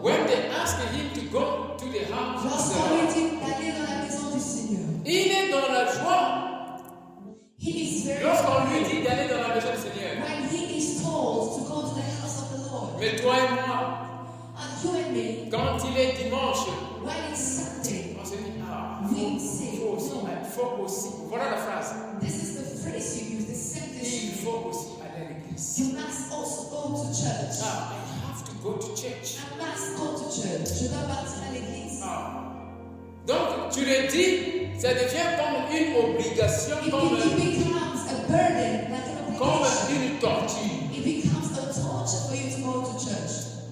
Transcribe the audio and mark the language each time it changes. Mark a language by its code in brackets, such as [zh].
[en] When they asked him to go to the house of God, [fr] lorsqu'on lui dit d'aller dans la maison du Seigneur, il est dans la joie. [en] He is very [fr] lorsqu'on lui dit d'aller dans la maison du Seigneur, [en] when he is told to go to the house of the Lord, [fr] mais toi et moi, [en] and you and me, [fr] quand il est dimanche, [en] when it's Saturday, [fr] on se dit ah, [en] we say, [fr] il faut aussi, no. Il faut aussi. Voilà la phrase. [en] This is the phrase you use. The sentence. [fr] Il faut aussi. [en] You must also go to church. Ah, I have to go to church. I must go to church. [fr] Je dois partir à l'église. Ah. Donc, tu le dis, ça devient comme une obligation, comme, [en] it becomes a burden, like an obligation. [fr] Comme une torture. [en] It becomes a torture for you to go to church.